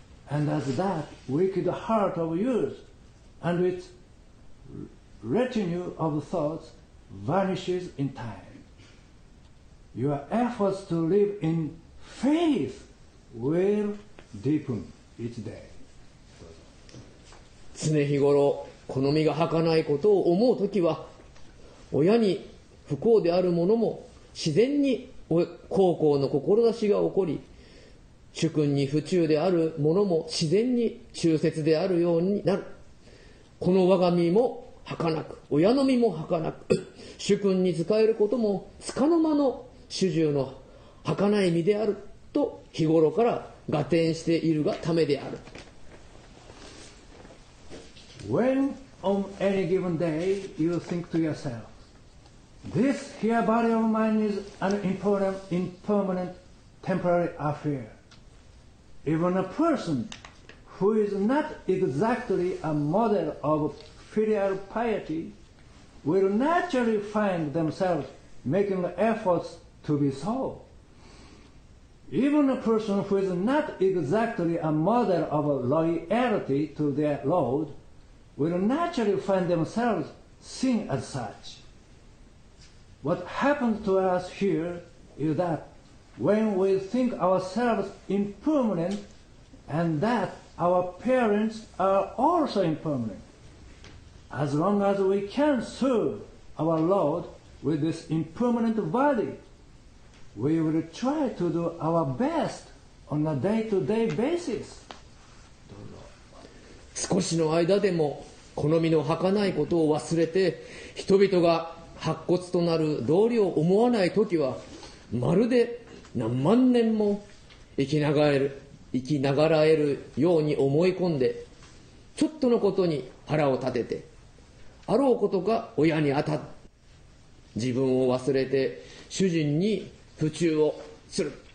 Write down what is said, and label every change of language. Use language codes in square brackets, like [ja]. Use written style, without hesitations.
[en] And as that wicked heart of yours and its retinue of thoughts vanishes in time, your efforts to live in faith will deepen each day. [ja] 常日頃この身が儚いことを思うときは、親に不幸である者も自然に孝行の志が起こり、主君に不忠である者も自然に忠節であるようになる。この我が身も儚く、親の身も儚く、主君に仕えることも束の間の主従の儚い身であると日頃から合点しているがためである。 [en] When on any given day you think to yourselfThis here body of mine is an important, impermanent, temporary affair. Even a person who is not exactly a model of filial piety will naturally find themselves making efforts to be so. Even a person who is not exactly a model of loyalty to their Lord will naturally find themselves seen as such. What happens to us here is that when we think ourselves impermanent and that our parents are also impermanent, as long as we can serve our Lord with this impermanent body, we will try to do our best on a day-to-day basis. [ja] 少しの間でも好みの儚いことを忘れて、人々が白骨となる道理を思わないときは、まるで何万年も生き長える生きながらえるように思い込んで、ちょっとのことに腹を立てて、あろうことか親に当たって、自分を忘れて主人に不忠をする、